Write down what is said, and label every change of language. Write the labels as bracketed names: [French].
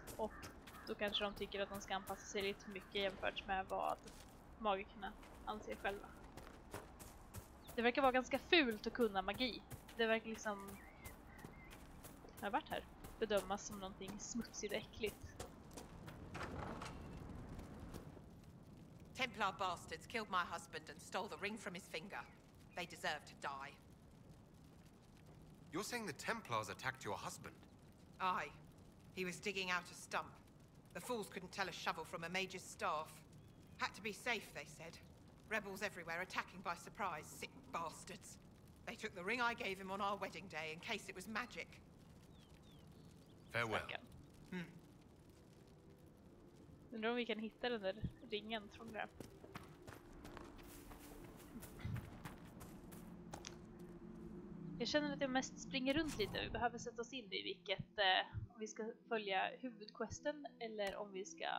[Swedish] Och då kanske de tycker att de ska anpassa sig lite mycket jämfört med vad magikerna anser själva. Det verkar vara ganska fult att kunna magi. Det verkar liksom, jag har varit här, bedömas som någonting smutsigt och äckligt. [English] Templar bastards killed my husband and stole the ring from his finger. They deserve to die. You're saying the Templars attacked your husband? Aye. He was digging out a stump. The fools couldn't tell a shovel from a mage's staff. Had to be safe, they said. Rebels everywhere, attacking by surprise, sick bastards. They took the ring I gave him on our wedding day in case it was magic. Farewell. [Swedish] Jag undrar om vi kan hitta den där ringen från det. Jag känner att jag mest springer runt lite. Vi behöver sätta oss in i vilket om vi ska följa huvudquesten eller om vi ska...